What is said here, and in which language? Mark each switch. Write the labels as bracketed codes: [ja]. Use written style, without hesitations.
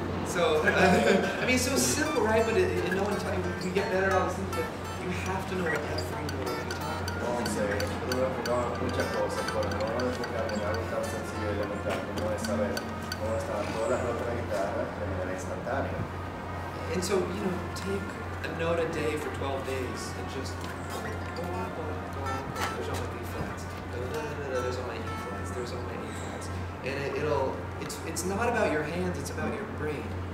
[en] So it's so simple, right? But it, no one tells you, you get better at all these things, but you have to know what every word you talk [es] Vamos a ver, nosotros hemos enfocado muchas cosas, pero no nos enfocamos en algo tan sencillo y elemental como es saber cómo están todas las notas de guitarra de manera instantánea. [en] And so, you know, take a note a day for 12 days and just go up, go up, go up. There's all my B flats. There's all my E flats. There's all my A flats. And it's not about your hands, it's about your brain.